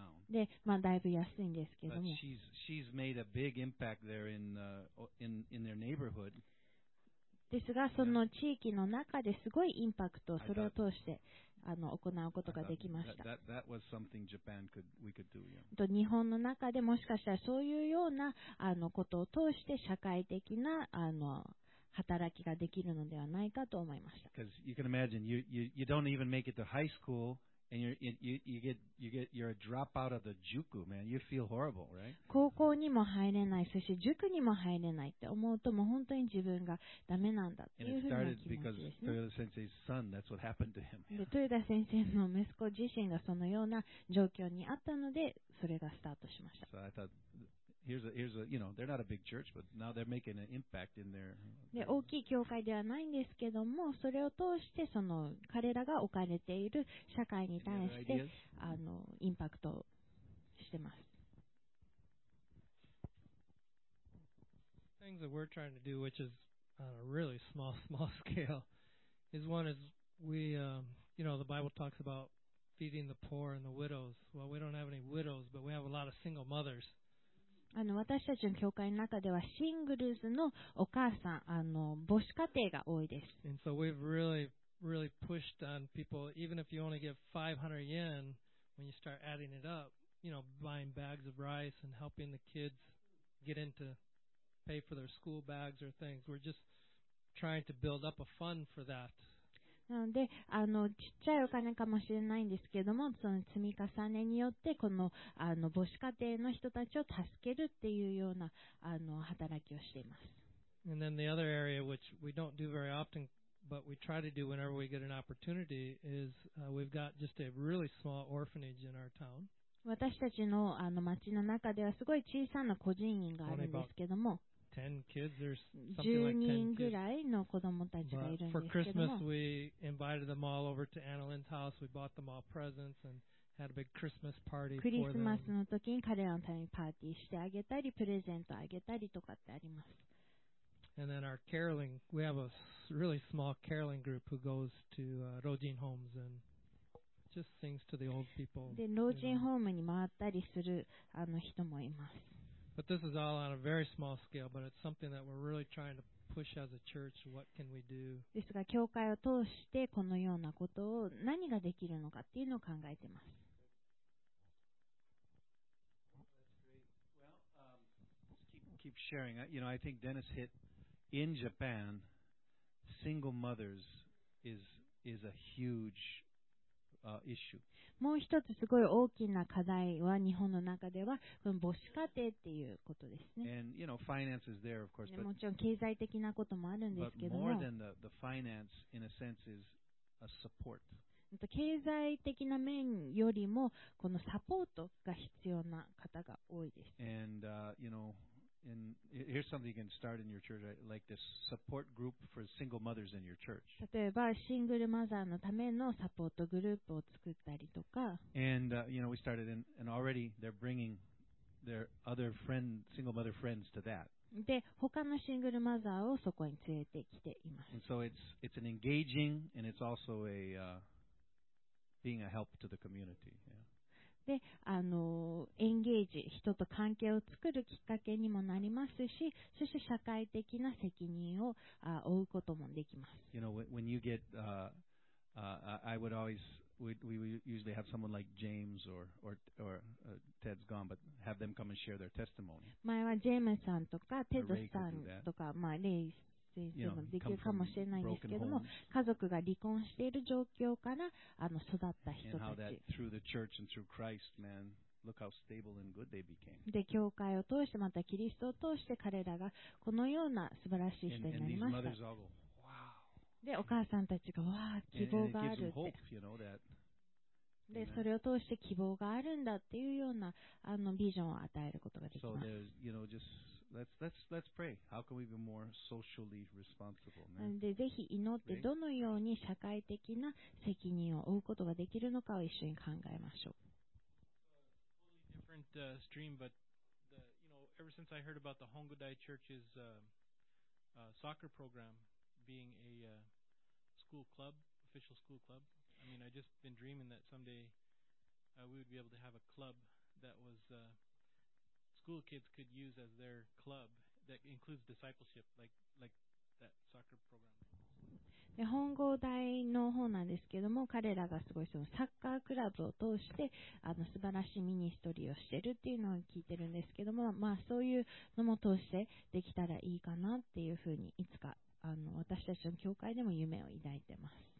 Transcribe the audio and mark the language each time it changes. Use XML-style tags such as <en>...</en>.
<ja>で、まあ、だいぶ安いんですけども。</ja> <en>She's made a big impact there in their neighborhood.</en> <ja>ですが、その地域の中ですごいインパクトをそれを通して行うことができました。日本の中でもしかしたらそういうようなことを通して社会的な働きができるのではないかと思いました。</ja> <en>Because you can imagine, you don't even make it to high school, and you're a dropout of the juku, man. You feel horrible, right?</en> <ja>高校にも入れない、そして塾にも入れないって思うと、もう本当に自分がダメなんだっていうふうな気持ちですね。</ja> <en>And it started because Toyoda Sensei's son. That's what happened to him.</en> <ja>で、豊田先生の息子自身がそのような状況にあったので、それがスタートしました。</ja> <en>So I thought,Here's a, you know, they're not a big church, but now they're making an impact in their.</en> <ja>で、大きい教会ではないんですけども、それを通してその彼らが置かれている社会に対してインパクトしてます。</ja> <en>Things that we're trying to do, which is on a really small scale, is one is we, you know, the Bible talks about feeding the poor and the widows. Well, we don't have any widows, but we have a lot of single mothers.</en> <ja>私たちの教会の中ではシングルズのお母さん、母子家庭が多いです。</ja> <en>And so we've really, really pushed on people, even if you only get 500 yen, when you start adding it up, you know, buying bags of rice and helping the kids get into pay for their school bags or things. We're just trying to build up a fund for that.</en> <ja>なのでちっちゃいお金かもしれないんですけれども、その積み重ねによってこの母子家庭の人たちを助けるっていうような働きをしています。</ja> <en>And then the other area which we don't do very often, but we try to do whenever we get an opportunity, is we've got just a really small orphanage in our town.</en> <ja>私たちの町の中ではすごい小さな孤児院があるんですけども。</ja> <en>10 kids or something like 10 kids. But for Christmas, we invited them all over to Anna Lynn's house. We bought them all presents and had a big Christmas party for them.</en> <ja>クリスマスの時に彼らのためにパーティーしてあげたり、プレゼントあげたりとかってあります。</ja> <en>And then our caroling, we have a really small caroling group who goes to Rojin homes and just sings to the old people.</en> <ja>で、老人ホームに回ったりする人もいます。</ja> <en>But this is all on a very small scale, but it's something that we're really trying to push as a church. What can we do?</en> <ja>ですが、教会を通してこのようなことを何ができるのかっていうのを考えてます。</ja> <en>Well, keep sharing. You know, I think Dennis hit in Japan, single mothers is a huge.</en> <ja>もう一つすごい大きな課題は日本の中ではこの母子家庭っていうことですね。</ja> <en>And, you know, finance is there, of course, but,</en> <ja>もちろん経済的なこともあるんですけども、</ja> <en>but more than the finance, in a sense, is a support.</en> <ja>経済的な面よりもこのサポートが必要な方が多いです。</ja> <en>And, you know, here's something you can start in your church, like this support group for single mothers in your church.</en> <ja>例えばシングルマザーのためのサポートグループを作ったりとか。</ja> <en>And you know, we started in, and already they're bringing their other friend, single mother friends to that.</en> <ja>で、他のシングルマザーをそこに連れてきています。</ja> <en>And so it's an engaging and it's also a being a help to the community. Yeah.</en> <ja>でエンゲージ、人と関係を作るきっかけにもなりますし、そして社会的な責任を負うこともできます。</ja> <en>You know, when you get, I would always we usually have someone like James or Ted's gone, but have them come and share their testimony.</en> <ja>前はジェームさんとかテッドさんとか、まあ、レイ先生もできるかもしれないんですけども、家族が離婚している状況から育った人たち。</ja> <en>And how that through the church and through Christ, man, look how stable and good they became.</en> <ja>で、教会を通してまたキリストを通して彼らがこのような素晴らしい人になりました。で、お母さんたちが、わあ、希望があるって。で、それを通して希望があるんだっていうようなビジョンを与えることができます。で、ぜひ祈って、どのように社会的な責任を負うことができるのかを一緒に考えましょう。</ja> <en>Totally different stream, but ever since I heard about the Hongudai Church's soccer program being a school club, official school club. I mean, I just been dreaming that someday we would be able to have a club that was school kids could use as their club that includes discipleship, like that soccer program.</en> <ja>で、本郷大の方なんですけども、彼らがすごいそのサッカークラブを通して素晴らしいミニストリーをしてるっていうのを聞いてるんですけども、まあそういうのも通してできたらいいかなっていうふうにいつか私たちの教会でも夢を抱いてます。</ja>